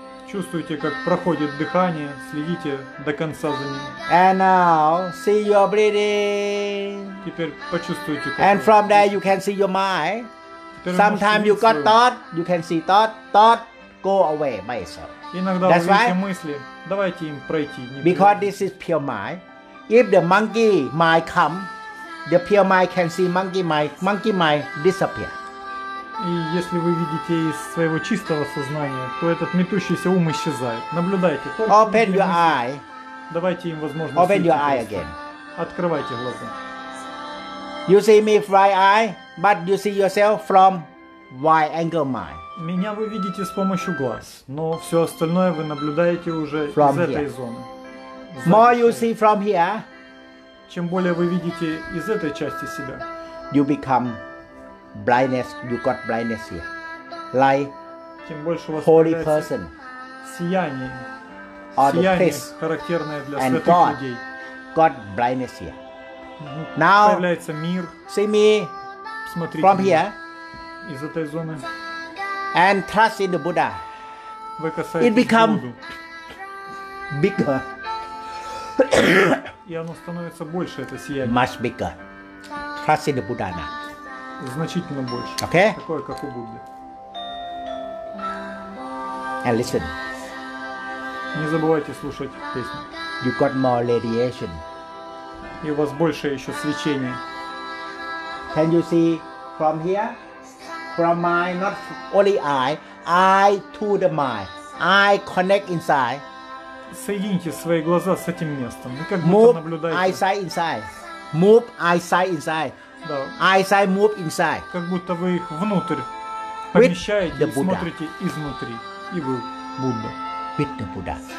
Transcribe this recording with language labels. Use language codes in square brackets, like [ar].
[ru] Чувствуйте, как проходит дыхание, следите до конца за ним. [en] And now, see your breathing. [ru] Теперь почувствуйте, как [en] And from there you can see your mind. Sometimes you got thought, you can see thought go away by itself. [ru] Иногда [en] That's [ru] вы видите мысли, давайте им пройти. Не [en] Because this is pure mind. If the monkey mind come, the pure mind can see monkey mind disappear. [ru] И если вы видите из своего чистого сознания, то этот метущийся ум исчезает. Наблюдайте. [en] Open your eye. [ru] Давайте им возможность. [en] Open your eye again. [ru] Открывайте глаза. [en] You see me with right eye, but you see yourself from by angle mind. [ru] Меня вы видите с помощью глаз, но все остальное вы наблюдаете уже [en] from [ru] из [en] here. [ru] Этой зоны. За [en] more you see from here, [ru] чем более вы видите из этой части себя, [en] you become blindness, you got blindness here. Like [ru] тем больше у вас [en] holy person. [ru] Сияние. Сияние, характерное для [en] and [ru] святых [en] God, [ru] людей. [en] God blindness here. Now, [ru] появляется мир. [en] See me [ru] смотрите [en] from here. [ru] Из этой зоны. [en] And trust in the Buddha. [ru] Вы касаетесь [en] it become bigger. [ru] И оно становится больше, это сияние. [en] Much bigger. Trust in the Buddha now. [ru] Значительно больше. [en] Okay? [ru] Такое, как у Будды. [en] And listen. [ru] Не забывайте слушать песню. [en] You got more radiation. [ru] И у вас больше еще свечения. [en] Can you see from here? From my not only I to the mind. I connect inside. [ru] Соедините свои глаза с этим местом. Вы как [en] move [ru] будто наблюдаете. [en] Move eyesight inside. Move eyesight inside. [ru] Да. [en] Eyesight move inside. [ru] Как будто вы их внутрь помещаете и смотрите изнутри. И вы Будда. [en] With the Buddha.